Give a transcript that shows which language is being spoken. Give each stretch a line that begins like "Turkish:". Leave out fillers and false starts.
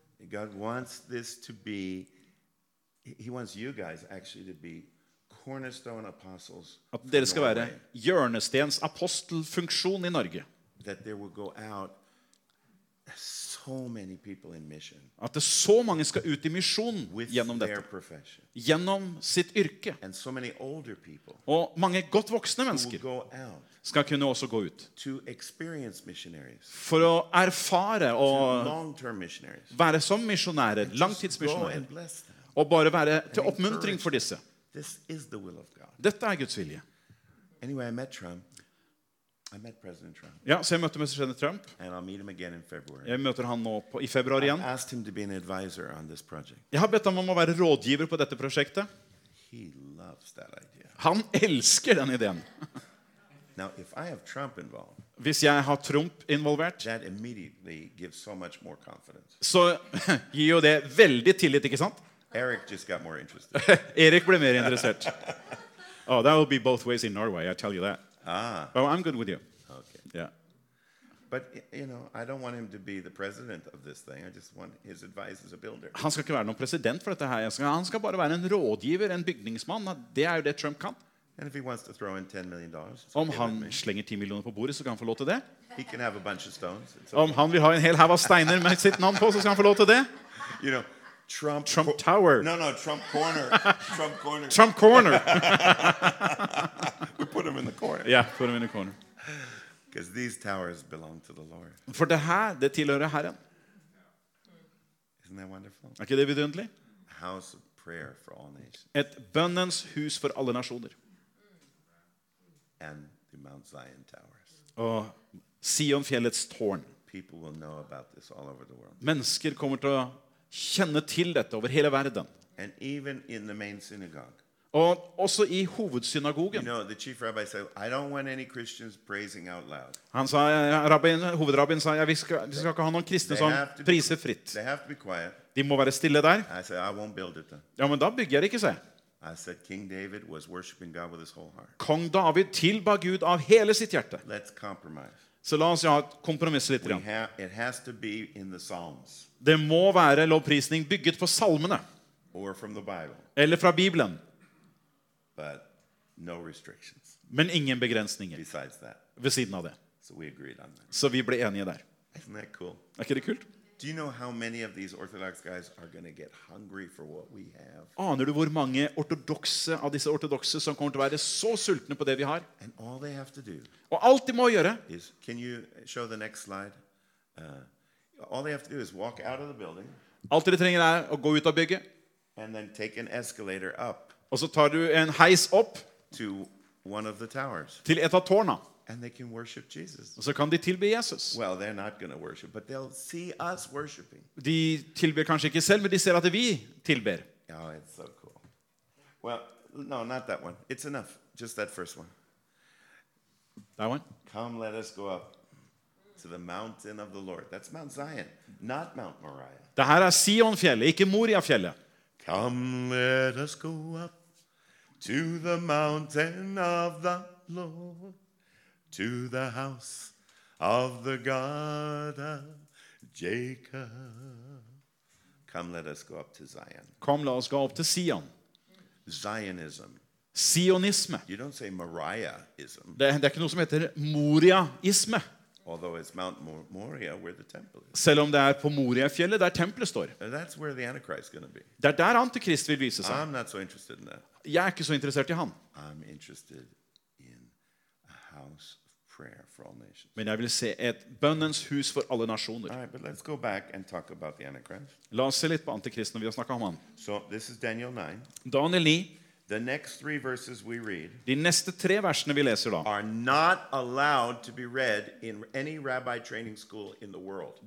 English: God wants this to be He wants you guys actually to be cornerstone apostles.
Norwegian: At dere skal være hjørnestens apostelfunksjon I Norge.
English: That there will go out so many people in mission.
Norwegian: At det så mange skal ut I misjon gjennom dette.
English: With their profession.
Norwegian: Gjennom sitt yrke.
English: And so many older people.
Norwegian: Og mange godt voksne mennesker.
English: Will go out.
Norwegian: Skal kunne også gå ut.
English: To experience missionaries.
Norwegian: For å erfare og
English: long-term missionaries.
Norwegian: Være som misjonærer, langtidsmisjonærer. Og bare være til oppmuntring for disse.
English: This is the will of God.
Norwegian: Dette Guds vilje.
English: Anyway, I met Trump. I met President Trump.
Norwegian: Ja, så jeg møtte president Trump.
English: And I'll meet him again in February.
Norwegian: Jeg møter han nå på, I februar igjen.
English: I asked him to be an advisor on this project.
Norwegian: Jeg har bedt ham om å være rådgiver på dette prosjektet.
English: He loves that idea.
Norwegian: Han elsker den ideen.
English: Now, if I have Trump involved.
Norwegian: Hvis jeg har Trump involvert,
English: that immediately gives so much more confidence.
Norwegian: Så gir jo det veldig tillit, ikke sant?
English: Eric just got more interested.
Swedish: Eric blev mer intresserad.
English: Oh, that will be both ways in Norway, I tell you that. Ah. Well, I'm good with you. Okay. Yeah. But you know, I don't want him to be the president of this thing. I just want his advice as a builder.
Swedish: Han ska inte vara någon president för det här. Han ska bara vara en rådgivare, en byggningsman. Det är ju det Trump kan.
English: And if he wants to throw in $10 million,
Swedish: om han slänger 10 miljoner på bordet så kan han få låta det.
English: He can have a bunch of stones. Okay.
Swedish: Om han vill ha en hel hava stenar med sitt namn på så kan han få låta det.
English: You know. Trump Tower. No, Trump Corner. Trump Corner. Trump Corner. We put him in the corner. Yeah, put him in the corner. Because these towers belong to the Lord.
Swedish: For det här, det tillhörer Herren.
English: Isn't that wonderful?
Norwegian: Okay, det vidunderlig.
English: A house of prayer for all nations.
Swedish: Ett bönens hus för alla nationer.
English: And the Mount Zion towers.
Swedish: Och Sionfjällets torn.
English: People will know about this all over the world.
Swedish: Människor kommer att känna till detta över hela världen.
English: And even in the main synagogue.
Swedish: Och också I huvudsynagogen.
English: You know, the chief rabbi said, I don't want any Christians praising out loud.
Swedish: Han sa, huvudrabbin sa, vi ska inte ha någon kristen som priser fritt.
English: They have to be quiet.
Swedish: De må vara stille där.
English: I said, I won't build it then.
Swedish: Ja, men då bygger jag det inte, sa jag.
English: I said, King David was worshiping God with his whole heart.
Swedish: Kung David tillbad Gud av hela sitt hjärta.
English: Let's compromise.
Norwegian: Så la oss ha et kompromiss litt.
English: It has to be in the Psalms.
Norwegian: Det må være lovprisning bygget på salmene.
English: Or from the Bible.
Norwegian: Eller fra Bibelen.
English: But no restrictions.
Norwegian: Men ingen begrensninger.
English: Besides that.
Norwegian: Ved siden av det.
English: So we agreed on that.
Norwegian: Så vi ble enige der.
English: Isn't that cool?
Norwegian: Ikke det kult?
English: Do you know how many of these orthodox guys are going to get hungry for what we have?
Norwegian: Aner du hvor mange ortodoxe av disse ortodoxe som kommer til å være så sultne på det vi har?
English: And all they have to do.
Norwegian: Og alt de må gjøre.
English: Is can you show the next slide? All they have to do is walk out of the building.
Norwegian: Alt de trenger å gå ut av bygget.
English: And then take an escalator up.
Norwegian: Og så tar du en heis opp.
English: To one of the towers.
Norwegian: Til et av tårna.
English: And they can worship Jesus.
Swedish: Så kan de tillbe Jesus.
English: Well, they're not going to worship, but they'll see us worshiping.
Swedish: De tillber kanske inte själva, men de ser att vi tillber.
English: Oh, it's so cool. Well, no, not that one. It's enough. Just that first one. That one? Come, let us go up to the mountain of the Lord. That's Mount Zion, not Mount Moriah.
Swedish: Det här är Sionfjället, inte Moriafjället.
English: Come, let us go up to the mountain of the Lord. To the house of the God of Jacob. Come, let us go up to Zion.
Norwegian: Kom, la oss gå opp til Sion.
English: Zionism.
Norwegian: Sionisme.
English: You don't say Moriahism.
Norwegian: Det ikke noe som heter Moriahisme.
English: Although it's Mount Moriah where the temple is.
Norwegian: Selv om det er på Moriafjellet der tempelet står.
English: And that's where the Antichrist is going to be.
Norwegian: Det der Antikrist vil vise seg.
English: I'm not so interested in that.
Norwegian: Jeg ikke så interessert I han.
English: I'm interested in a house of prayer for all nations.
Norwegian: Men jeg vil se et bønnens hus for alle nasjoner.
English: All right, but let's go back and talk about the Antichrist.
Norwegian: La oss se litt på Antikrist når vi har snakket om han.
English: So this is Daniel 9.
Norwegian: Daniel 9.
English: The next three verses we read
Norwegian: De neste tre versene vi leser da,
English: are not allowed to be read in any rabbi training school in the world.